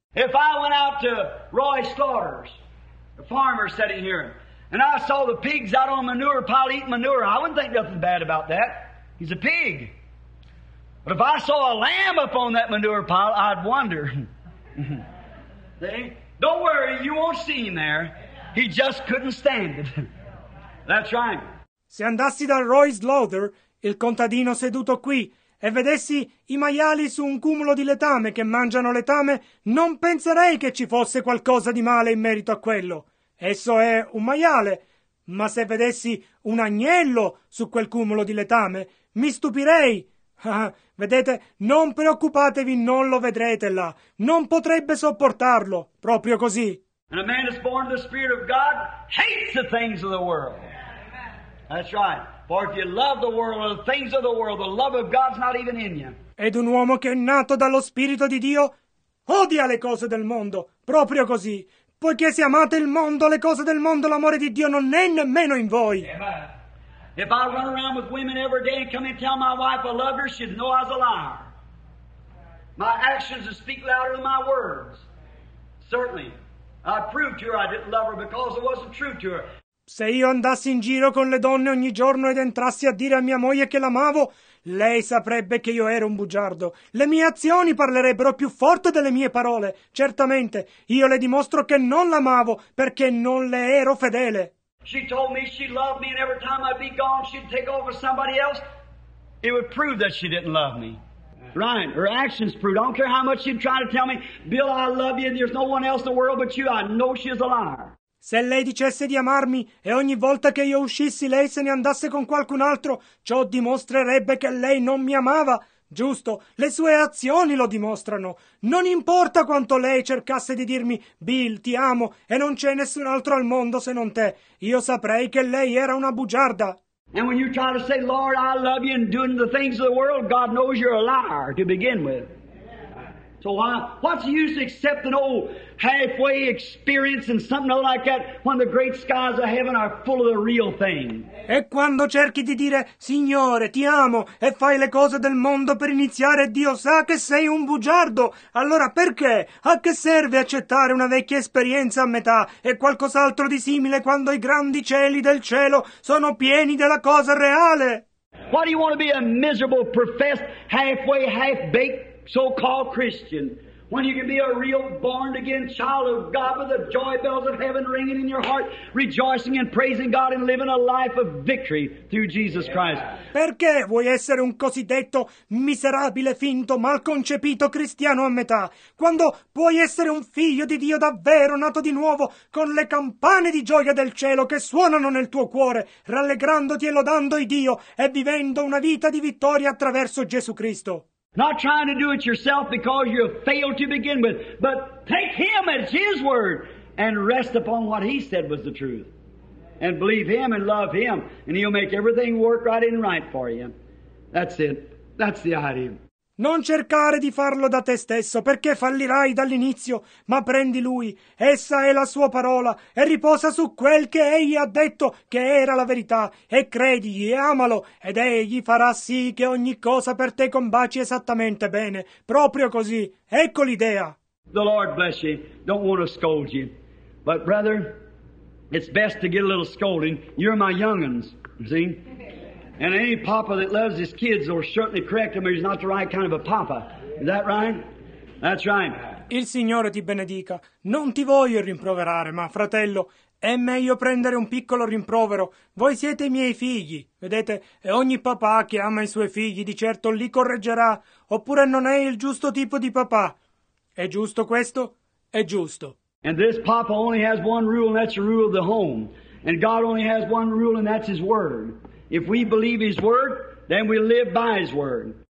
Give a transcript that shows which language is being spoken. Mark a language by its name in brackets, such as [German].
[English] If I went out to Roy Slaughter's, the farmer sitting here, and I saw the pigs out on manure pile eating manure, I wouldn't think nothing bad about that. He's a pig. But if I saw a lamb up on that manure pile, I'd wonder. See? Don't worry, you won't see him there. He just couldn't stand it. That's right. [Italian] Se andassi da Roy Slaughter, il contadino seduto qui, e vedessi i maiali su un cumulo di letame che mangiano letame, non penserei che ci fosse qualcosa di male in merito a quello. Esso è un maiale. Ma se vedessi un agnello su quel cumulo di letame, mi stupirei. Vedete, non preoccupatevi, non lo vedrete là. Non potrebbe sopportarlo, proprio così. [English] And a man is born of the Spirit of God, hates the things of the world. That's right. For if you love the world or the things of the world, the love of God's not even in you. [Italian] Ed un uomo che è nato dallo Spirito di Dio odia le cose del mondo, proprio così. Poiché se amate il mondo, le cose del mondo, l'amore di Dio non è nemmeno in voi. Amen. [English] If I run around with women every day and come and tell my wife I love her, she'd know I was a liar. My actions would speak louder than my words. Certainly. I proved to her I didn't love her because it wasn't true to her. [Italian] Se io andassi in giro con le donne ogni giorno ed entrassi a dire a mia moglie che l'amavo, lei saprebbe che io ero un bugiardo. Le mie azioni parlerebbero più forte delle mie parole. Certamente, io le dimostro che non l'amavo perché non le ero fedele. [English] She told me she loved me, and every time I'd be gone, she'd take over somebody else. It would prove that she didn't love me. Right, her actions proved. I don't care how much she'd try to tell me, Bill, I love you, and there's no one else in the world but you, I know she's a liar. [Italian] Se lei dicesse di amarmi, e ogni volta che io uscissi lei se ne andasse con qualcun altro, ciò dimostrerebbe che lei non mi amava. Giusto, le sue azioni lo dimostrano. Non importa quanto lei cercasse di dirmi, Bill, ti amo, e non c'è nessun altro al mondo se non te. Io saprei che lei era una bugiarda. [English] And when you try to say, Lord, I love you, and doing the things of the world, God knows you're a liar to begin with. So what's the use of accepting old halfway experience and something like that when the great skies of heaven are full of the real thing? [Italian] E quando cerchi di dire, Signore, ti amo, e fai le cose del mondo per iniziare, Dio sa che sei un bugiardo. Allora perché? A che serve accettare una vecchia esperienza a metà e qualcos'altro di simile quando i grandi cieli del cielo sono pieni della cosa reale? [English] Why do you want to be a miserable, professed, halfway, half-baked, so-called Christian, when you can be a real born-again child of God with the joy bells of heaven ringing in your heart, rejoicing and praising God and living a life of victory through Jesus Christ? [Italian] Perché vuoi essere un cosiddetto miserabile, finto, malconcepito cristiano a metà, quando puoi essere un figlio di Dio davvero, nato di nuovo, con le campane di gioia del cielo che suonano nel tuo cuore, rallegrandoti e lodando il Dio e vivendo una vita di vittoria attraverso Gesù Cristo? [English] Not trying to do it yourself because you failed to begin with, but take him at his word and rest upon what he said was the truth. And believe him and love him, and he'll make everything work right and right for you. That's it. That's the idea. [Italian] Non cercare di farlo da te stesso, perché fallirai dall'inizio, ma prendi lui. Essa è la sua parola, e riposa su quel che egli ha detto che era la verità, e credigli e amalo, ed egli farà sì che ogni cosa per te combaci esattamente bene. Proprio così. Ecco l'idea. [English] The Lord bless you. Don't want to scold you. But brother, it's best to get a little scolding. You're my young'uns, see? And any papa that loves his kids will certainly correct him, or he's not the right kind of a papa. Is that right? That's right. [Italian] Il Signore ti benedica. Non ti voglio rimproverare, ma, fratello, è meglio prendere un piccolo rimprovero. Voi siete i miei figli, vedete? E ogni papà che ama i suoi figli di certo li correggerà, oppure non è il giusto tipo di papà. È giusto questo? È giusto. [English] And this papa only has one rule, and that's the rule of the home. And God only has one rule, and that's His Word. If we believe His Word, then we live by His Word.